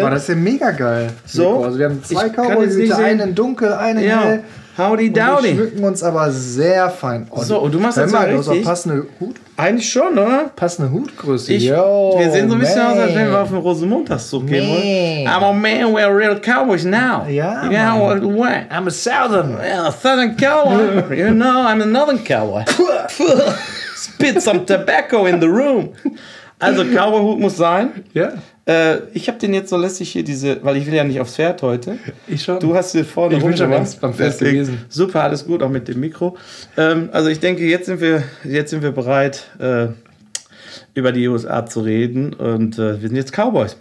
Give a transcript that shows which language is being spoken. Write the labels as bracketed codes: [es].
[de] Boah, das ist ja mega geil. So. Also wir haben zwei Cowboy-Hüte, einen dunkel, einen hell. [en] Howdy Dowdy. [de] Wir schmücken uns aber sehr fein. Und so, und du machst das mal richtig. Also passende Hut? Eigentlich schon, oder? Passende Hutgröße. Wir sehen so ein bisschen aus, als wenn wir auf den Rosenmontagszug gehen wollen. [en] I'm a man, we're real cowboys now. [de] Ja, [en] yeah, what? I'm a southern. Yeah, a southern cowboy. You know, I'm a northern cowboy. Spit some tobacco in the room. [de] Also, Cowboy-Hut muss sein. Ja. Ich habe den jetzt so lässig hier diese, weil ich will ja nicht aufs Pferd heute. Ich schon. Du hast hier vorne rumgemacht. Ich bin schon beim Pferd gewesen. Super, alles gut, auch mit dem Mikro. Also ich denke, jetzt sind wir bereit, über die USA zu reden und wir sind jetzt Cowboys.